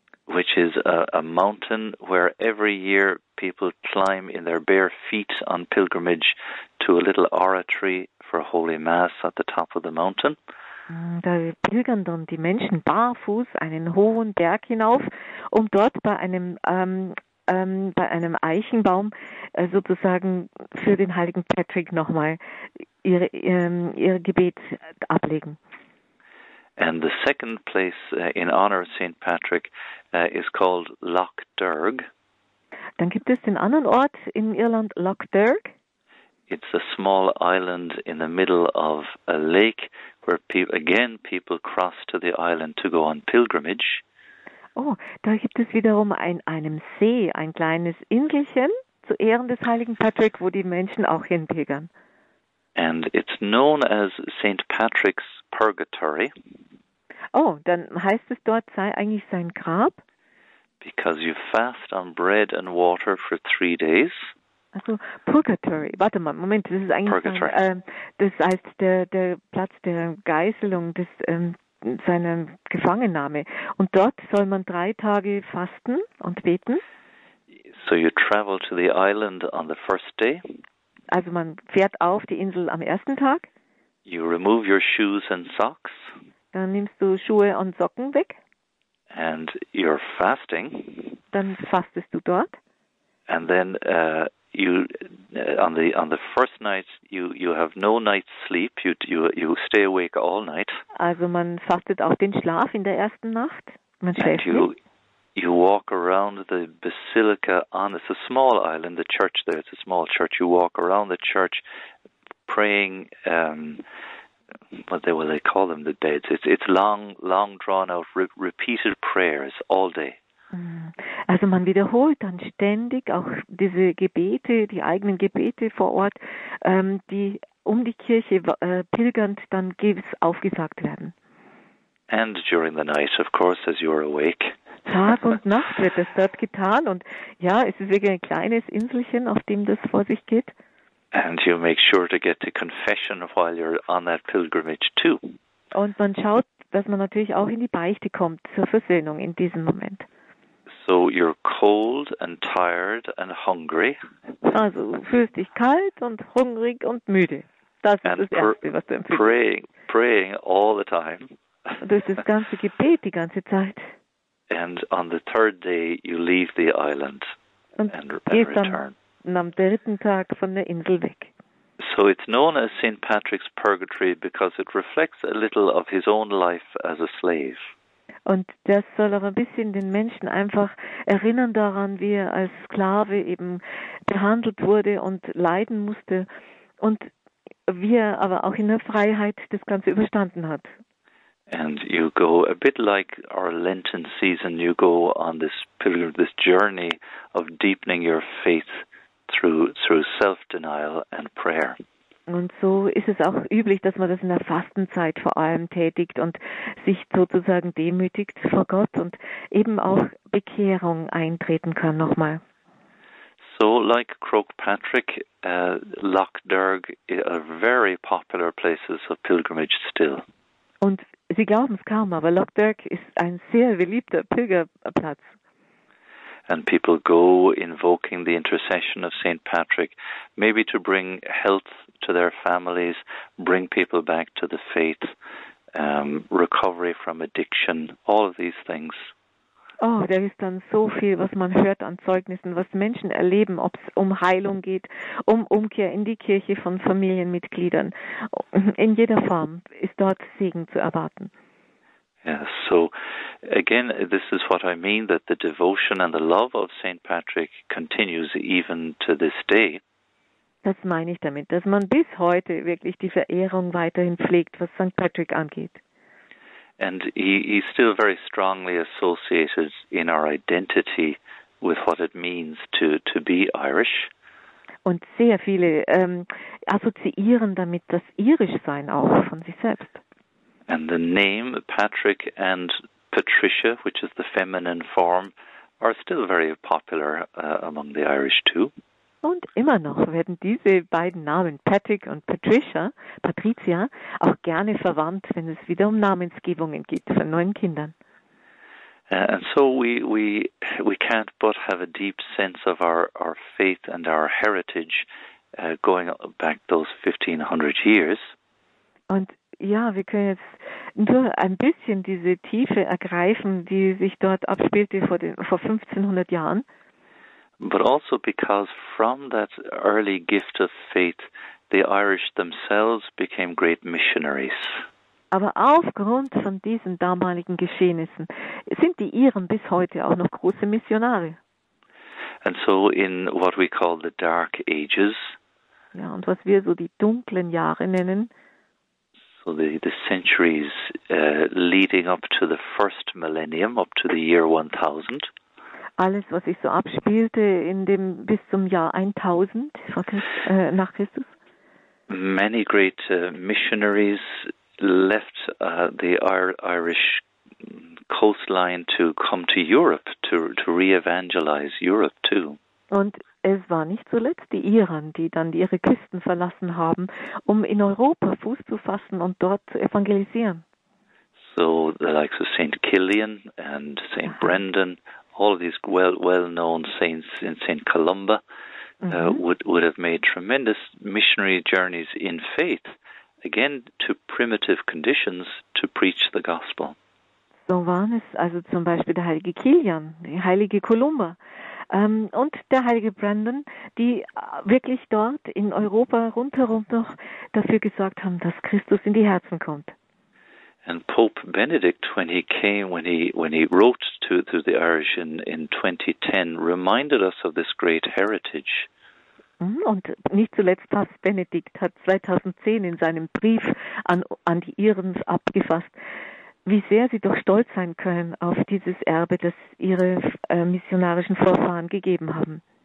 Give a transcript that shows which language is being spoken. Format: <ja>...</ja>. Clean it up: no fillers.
<en>Which is a mountain where every year people climb in their bare feet on pilgrimage to a little oratory for Holy Mass at the top of the mountain.</en> <de>Da pilgern dann die Menschen barfuß einen hohen Berg hinauf, um dort bei einem Eichenbaum sozusagen für den heiligen Patrick nochmal ihr Gebet ablegen.</de> <en>And the second place in honor of St. Patrick is called Loch Derg.</en> <de>Dann gibt es den anderen Ort in Irland, Loch Derg.</de> <en>It's a small island in the middle of a lake where people cross to the island to go on pilgrimage.</en> <de>Oh, da gibt es wiederum an einem See ein kleines Inselchen zu Ehren des heiligen Patrick, wo die Menschen auch hinpilgern.</de> <en>And it's known as St. Patrick's Purgatory.</en> <de>Oh, dann heißt es dort sei eigentlich sein Grab.</de> <en>Because you fast on bread and water for 3 days.</en> <de>Also Purgatory. Warte mal, Moment, das ist eigentlich sein, das heißt der Platz der Geißelung, des seiner Gefangennahme. Und dort soll man 3 Tage fasten und beten.</de> <en>So you travel to the island on the first day.</en> <de>Also man fährt auf die Insel am ersten Tag.</de> <en>You remove your shoes and socks.</en> <de>Dann nimmst du Schuhe und Socken weg.</de> <en>And you're fasting.</en> <de>Dann fastest du dort.</de> <en>And then on the first night you have no night sleep. You stay awake all night.</en> <de>Also man fastet auch den Schlaf in der ersten Nacht. Man schläft nicht.</de> <en>You walk around the basilica on, it's a small island, the church there, it's a small church. You walk around the church praying, what they call them, the beds. It's long drawn out, repeated prayers all day.</en> <de>Also man wiederholt dann ständig auch diese Gebete, die eigenen Gebete vor Ort, die um die Kirche pilgernd dann aufgesagt werden.</de> <en>And during the night, of course, as you are awake.</en> <de>Tag und Nacht wird das dort getan und ja, es ist wirklich ein kleines Inselchen, auf dem das vor sich geht.</de> <en>And you make sure to get to confession while you're on that pilgrimage too.</en> <de>Und man schaut, dass man natürlich auch in die Beichte kommt zur Versöhnung in diesem Moment.</de> <en>So you're cold and tired and hungry.</en> <de>Also fühlst dich kalt und hungrig und müde. Das ist das Erste, was du empfiehlst.</de> <en>Praying all the time.</en> <de>Und das ist das ganze Gebet die ganze Zeit.</de> <en>And on the third day you leave the island and return.</en> <de>Und am dritten Tag von der Insel weg.</de> <en>So it's known as St. Patrick's Purgatory because it reflects a little of his own life as a slave.</en> <de>Und das soll auch ein bisschen den Menschen einfach erinnern daran, wie er als Sklave eben behandelt wurde und leiden musste und wie er aber auch in der Freiheit das Ganze überstanden hat.</de> <en>And you go a bit like our Lenten season, you go on this journey of deepening your faith through self-denial and prayer.</en> <de>Und so ist es auch üblich, dass man das in der Fastenzeit vor allem tätigt und sich sozusagen demütigt vor Gott und eben auch Bekehrung eintreten kann nochmal.</de> <en>So, like Croagh Patrick, Lough Derg are very popular places of pilgrimage still.</en> <de>Und Sie glauben es kaum, aber Lough Derg ist ein sehr beliebter Pilgerplatz.</de> <en>And people go invoking the intercession of St. Patrick, maybe to bring health to their families, bring people back to the faith, recovery from addiction, all of these things.</en> <de>Oh, da ist dann so viel, was man hört an Zeugnissen, was Menschen erleben, ob es um Heilung geht, um Umkehr in die Kirche von Familienmitgliedern. In jeder Form ist dort Segen zu erwarten.</de> <en>Yes, so again, this is what I mean, that the devotion and the love of St. Patrick continues even to this day.</en> <de>Das meine ich damit, dass man bis heute wirklich die Verehrung weiterhin pflegt, was St. Patrick angeht.</de> <en>And he's still very strongly associated in our identity with what it means to be Irish.</en> <de>Und sehr viele assoziieren damit das Irischsein auch von sich selbst.</de> <en>And the name Patrick and Patricia, which is the feminine form, are still very popular among the Irish too.</en> <de>Und immer noch werden diese beiden Namen, Patrick und Patricia, auch gerne verwandt, wenn es wieder um Namensgebungen geht von neuen Kindern.</de> <en>And so we can't but have a deep sense of our faith and our heritage going back those 1500 years.</en> <de>Und ja, wir können jetzt nur ein bisschen diese Tiefe ergreifen, die sich dort abspielte vor 1500 Jahren.</de> <en>But also because from that early gift of faith, the Irish themselves became great missionaries.</en> <de>Aber aufgrund von diesen damaligen Geschehnissen sind die Iren bis heute auch noch große Missionare.</de> <en>And so in what we call the Dark Ages.</en> <de>Ja, und was wir so die dunklen Jahre nennen.</de> <en>So the centuries leading up to the first millennium, up to the year 1000.</en> <de>Alles, was sich so abspielte in dem bis zum Jahr 1000 nach Christus.</de> <en>Many great missionaries left the Irish coastline to come to Europe to re-evangelize Europe too.</en> <de>Und es war nicht zuletzt die Iren, die dann ihre Küsten verlassen haben, um in Europa Fuß zu fassen und dort zu evangelisieren.</de> <en>So the likes of St. Killian and St. Brendan. All of these well-known saints in St. Columba would have made tremendous missionary journeys in faith, again to primitive conditions, to preach the gospel.</en> <de>So waren es also zum Beispiel der heilige Kilian, der heilige Columba und der heilige Brandon, die wirklich dort in Europa rundherum noch dafür gesorgt haben, dass Christus in die Herzen kommt.</de> <en>And Pope Benedict, when he wrote to the Irish in 2010, reminded us of this great heritage.</en> <de>Und nicht zuletzt Papst Benedikt hat 2010 in seinem Brief an die Iren abgefasst, wie sehr sie doch stolz sein können auf dieses Erbe, das ihre missionarischen Vorfahren gegeben haben.</de>